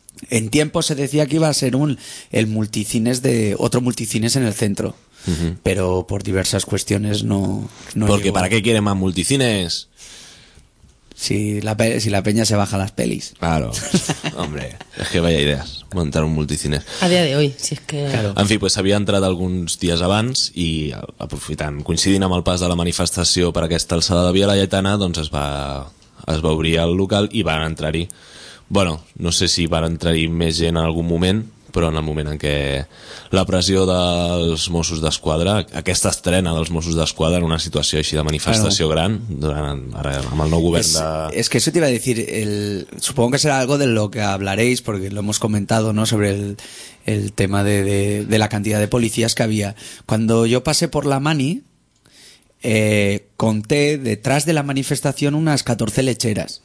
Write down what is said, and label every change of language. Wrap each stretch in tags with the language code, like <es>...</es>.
<es>En tiempo se decía que iba a ser otro multicines en el centro, pero por diversas cuestiones no porque llegó. ¿Para qué quieren más multicines? Si la peña se baja las pelis. Claro, hombre, es que vaya ideas, montar un multicines. A día de hoy, si es que... Claro.</es> <ca>En fi, pues havia entrat alguns dies abans i aprofitant, coincidint amb el pas de la manifestació per aquesta alçada de Via Laietana, doncs es va obrir el local i van entrar-hi. Bueno, no sé si van entrar-hi més gent en algun moment, però en el moment en què la pressió dels Mossos d'Esquadra, aquesta estrena dels Mossos d'Esquadra en una situació així de manifestació gran, ara amb el nou govern de... És que això t'hi va dir,</ca> <es>supongo que serà algo de lo que hablaréis, porque lo hemos comentado, ¿no?, sobre el tema de la cantidad de policías que había. Cuando yo pasé por la mani, conté detrás de la manifestación unas 14 lecheras.</es>